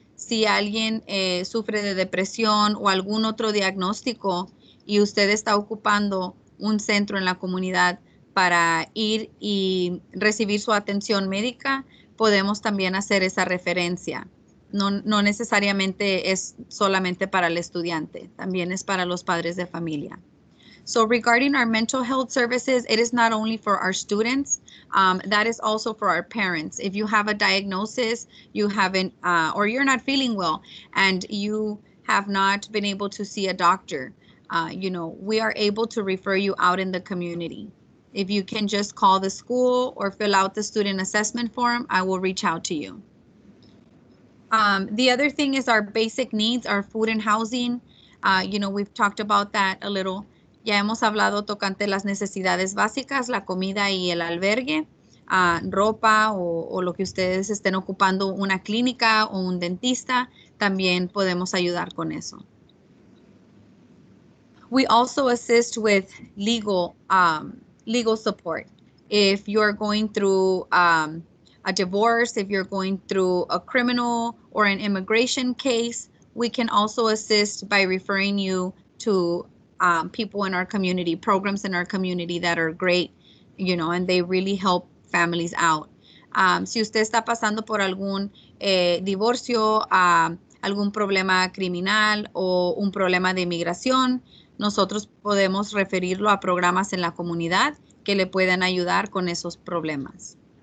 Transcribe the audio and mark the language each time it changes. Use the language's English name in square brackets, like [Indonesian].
[Spanish] Si alguien sufre de depresión o algún otro diagnóstico y usted está ocupando un centro en la comunidad para ir y recibir su atención médica, podemos también hacer esa referencia. No necesariamente es solamente para el estudiante, también es para los padres de familia. [English] So regarding our mental health services, it is not only for our students, that is also for our parents. If you have a diagnosis, or you're not feeling well, and you have not been able to see a doctor, you know, we are able to refer you out in the community. If you can just call the school or fill out the student assessment form, I will reach out to you. The other thing is our basic needs, our food and housing. You know, we've talked about that a little. [Spanish] Ya hemos hablado tocante las necesidades básicas, la comida y el albergue, ropa o lo que ustedes estén ocupando, una clínica o un dentista, también podemos ayudar con eso. [English] We also assist with legal support. If you're going through a divorce, if you're going through a criminal or an immigration case, we can also assist by referring you to people in our community, programs in our community that are great, you know, and they really help families out. [Spanish] Si usted está pasando por algún divorcio, algún problema criminal o un problema de inmigración, nosotros podemos referirlo a programas en la comunidad que le puedan ayudar con esos problemas.